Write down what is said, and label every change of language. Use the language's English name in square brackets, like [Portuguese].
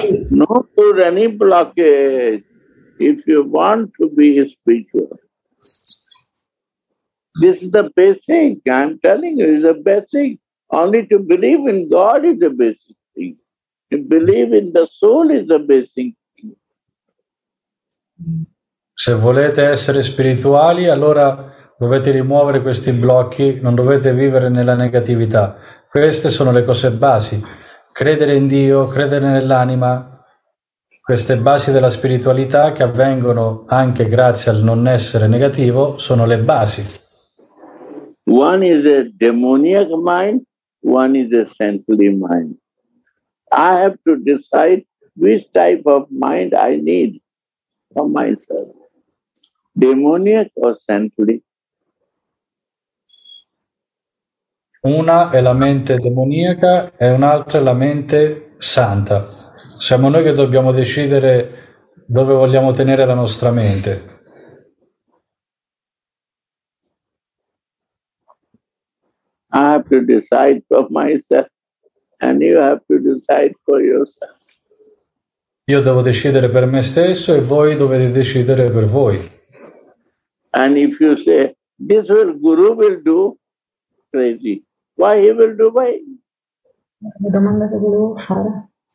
[English] No, put any blockage if you want to be spiritual. This is the basic. I'm telling you, it's the basic. Only to believe in God is the basic thing. To believe in the soul is the basic thing. [Italian] Se volete essere spirituali, allora dovete rimuovere questi blocchi. Non dovete vivere nella negatività. Queste sono le cose basi. Credere in Dio, credere nell'anima, queste basi della spiritualità che avvengono anche grazie al non essere negativo, sono le basi. [English] One is a demonic mind, one is a saintly mind. I have to decide which type of mind I need for myself. Demonic or saintly? [Italian] Una è la mente demoniaca e un'altra è la mente santa. Siamo noi che dobbiamo decidere dove vogliamo tenere la nostra mente. [English] I have to decide for myself and you have to decide for yourself. [Italian] Io devo decidere per me stesso e voi dovete decidere per voi. [English] And if you say this will guru will do crazy. Why he will do why? [Italian] La domanda che volevo fare.